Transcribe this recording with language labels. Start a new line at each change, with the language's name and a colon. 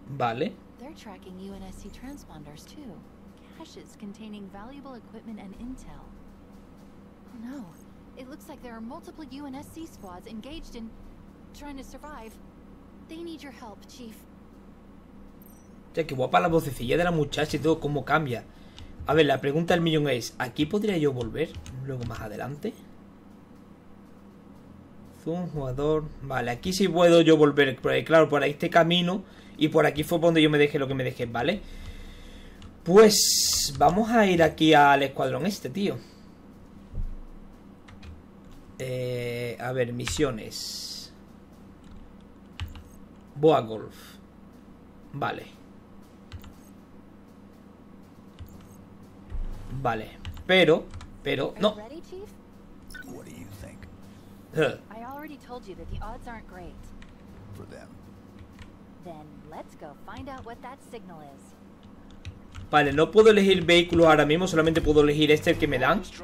Spanish: Vale.
English: They're tracking UNSC transponders too. Caches containing valuable equipment and intel. Oh no. It looks like there are multiple UNSC squads engaged in trying to survive. They need your help, Chief.
Spanish: Ya, qué guapa la vocecilla de la muchacha y todo, cómo cambia. A ver, la pregunta del millón es, ¿aquí podría yo volver luego más adelante? Zoom, jugador. Vale, aquí sí puedo yo volver, claro, por este camino. Y por aquí fue donde yo me dejé lo que me dejé, ¿vale? Pues vamos a ir aquí al escuadrón este, tío. A ver, misiones. Boa Golf. Vale. Vale, pero, no.
English: What do you think? I already told you that the odds aren't great. For them. Then let's go find out what that signal is.
Spanish: Vale, no puedo elegir vehículo ahora mismo, solamente puedo elegir este que me dan.